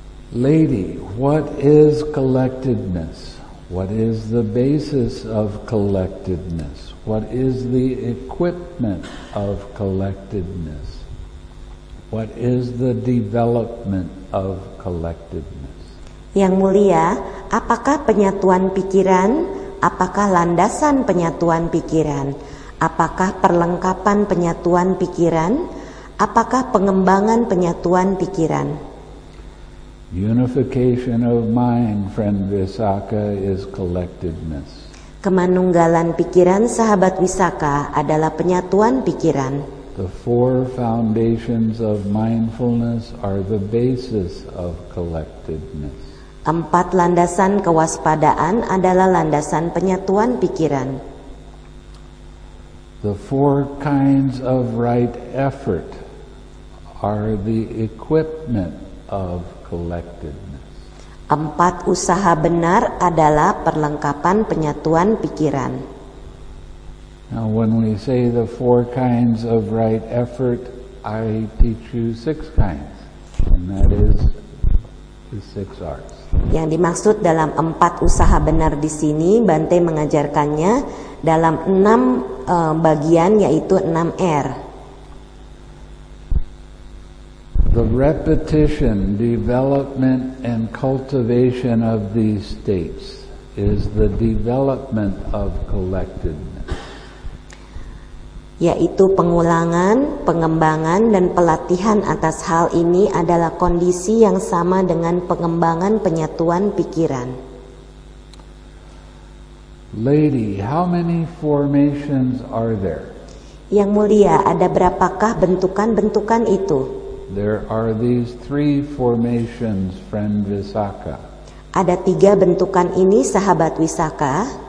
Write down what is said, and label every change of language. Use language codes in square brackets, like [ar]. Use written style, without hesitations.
[en] Lady, what is collectedness? What is the basis of collectedness? What is the equipment of collectedness? What is the development of collectedness? [id] Yang mulia, apakah penyatuan pikiran? Apakah landasan penyatuan pikiran? Apakah perlengkapan penyatuan pikiran? Apakah pengembangan penyatuan pikiran? [en] Unification of mind, friend Visakha, is collectedness. [id] Kemanunggalan pikiran, sahabat Visakha, adalah penyatuan pikiran. [en] The four foundations of mindfulness are the basis of collectedness. [id] Empat landasan kewaspadaan adalah landasan penyatuan pikiran. [en] The four kinds of right effort are the equipment of collectedness. [id] Empat usaha benar adalah perlengkapan penyatuan pikiran. [en] Now when we say the four kinds of right effort, I teach you six kinds, and that is the six arts. [id] Yang dimaksud dalam empat usaha benar di sini, Bante mengajarkannya dalam enam bagian, yaitu enam R. [en] The repetition, development, and cultivation of these states is the development of collectedness. [id] Yaitu pengulangan, pengembangan, dan pelatihan atas hal ini adalah kondisi yang sama dengan pengembangan penyatuan pikiran. [en] Lady, how many formations are there? [id] Yang mulia, ada berapakah bentukan-bentukan itu? [en] There are these three formations, friend Visakha. [id] Ada tiga bentukan ini, sahabat Visakha.